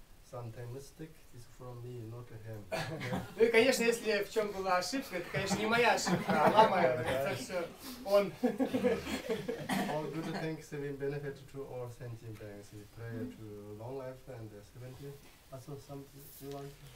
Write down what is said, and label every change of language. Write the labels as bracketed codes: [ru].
[en] Sometimes mistake is from me, not him. [ru] Ну и конечно, если в чем была ошибка, это конечно не моя ошибка, а Лама, это все он. [en] All good things have been benefited to all sentient beings. We pray to long life and 70. Also something you like.